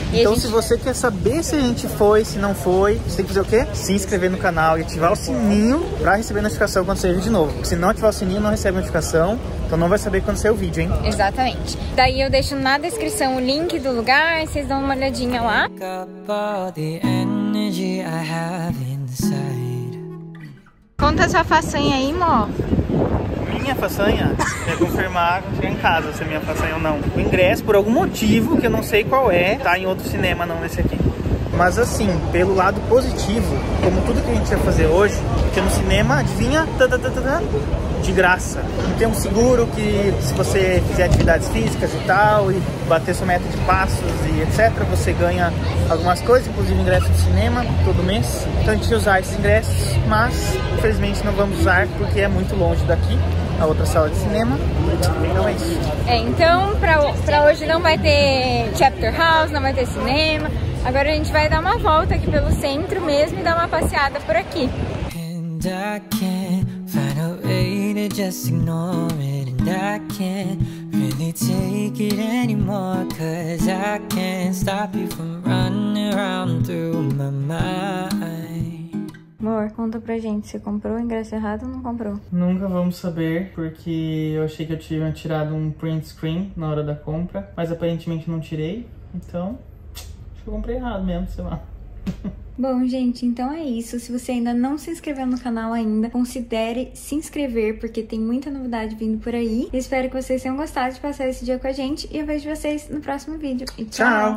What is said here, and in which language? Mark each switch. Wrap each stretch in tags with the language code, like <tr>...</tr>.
<pt>E então, se você quer saber se a gente foi, se não foi, você tem que fazer o quê? Se inscrever no canal e ativar o sininho para receber notificação quando sair de novo. Se não ativar o sininho, não recebe notificação. Então não vai saber quando sair o vídeo, hein? Exatamente. Daí eu deixo na descrição o link do lugar, vocês dão uma olhadinha lá.</pt> <en>Pick up all the energy I have inside.</en> <pt>Conta a sua façanha aí, mó. Minha façanha? É confirmar quando chegar em casa se é minha façanha ou não. O ingresso, por algum motivo, que eu não sei qual é, tá em outro cinema, não nesse aqui. Mas assim, pelo lado positivo, como tudo que a gente vai fazer hoje, porque no cinema, adivinha? De graça. Tem um seguro que se você fizer atividades físicas e tal, e bater sua meta de passos e etc, você ganha algumas coisas, inclusive ingresso de cinema, todo mês. Então a gente ia usar esses ingressos, mas infelizmente não vamos usar porque é muito longe daqui, a outra sala de cinema. Então é isso. É, então pra hoje não vai ter Chapter House, não vai ter cinema. Agora a gente vai dar uma volta aqui pelo centro mesmo e dar uma passeada por aqui.</pt> <en>And I can't find a way to just ignore it. And I can't really take it anymore. Cause I can't stop you from running around through my mind.</en> <pt>Amor, conta pra gente, você comprou o ingresso errado ou não comprou? Nunca vamos saber, porque eu achei que eu tinha tirado um print screen na hora da compra. Mas aparentemente não tirei, então... Eu comprei errado mesmo, sei lá. Bom, gente, então é isso. Se você ainda não se inscreveu no canal ainda, considere se inscrever, porque tem muita novidade vindo por aí. Eu espero que vocês tenham gostado de passar esse dia com a gente. E eu vejo vocês no próximo vídeo. E tchau!</pt>